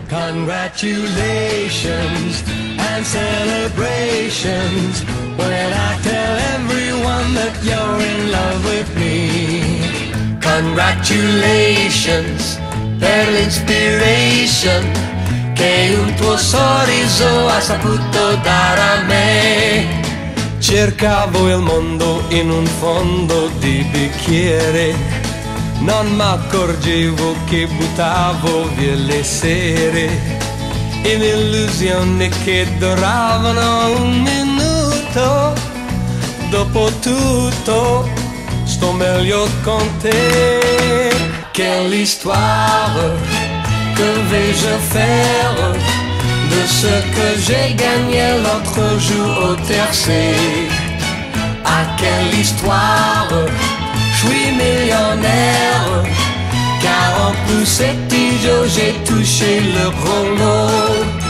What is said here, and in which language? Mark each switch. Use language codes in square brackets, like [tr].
[en] congratulations and celebrations when I tell everyone that you're in love with me. [it] Congratulations per l'inspiration che un tuo sorriso ha saputo dar a me. Cercavo il mondo in un fondo di bicchiere, non m'accorgevo che buttavo via le sere in illusioni che duravano un minuto. Dopo tutto sto meglio con te. [fr] Quelle histoire que vais-je faire de ce que j'ai gagné l'autre jour au tercé? À quelle histoire je suis millionnaire, car en plus c'est idiot, j'ai touché le chrono.